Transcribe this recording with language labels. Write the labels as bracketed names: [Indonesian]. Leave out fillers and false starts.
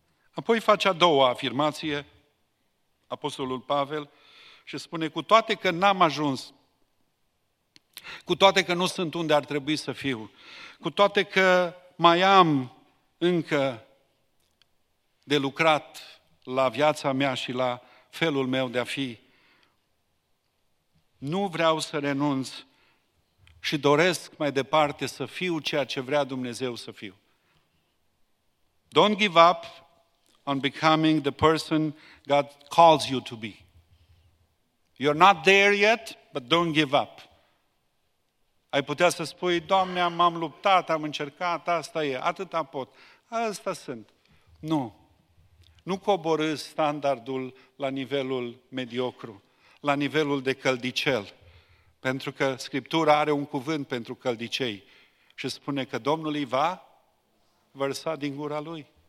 [Romanian] Apoi face a doua afirmație, Apostolul Pavel, și spune, cu toate că n-am ajuns, cu toate că nu sunt unde ar trebui să fiu, cu toate că mai am încă de lucrat la viața mea și la felul meu de a fi. Nu vreau să renunț și doresc mai departe să fiu ceea ce vrea Dumnezeu să fiu. [English] Don't give up on becoming the person God calls you to be. You're not there yet, but don't give up. [Romanian] Ai putea să spui, Doamne, m-am luptat, am încercat, asta e, atâta pot, asta sunt. Nu. Nu coborâ standardul la nivelul mediocru, la nivelul de căldicel, pentru că Scriptura are un cuvânt pentru căldicei și spune că Domnul îi va vărsa din gura lui.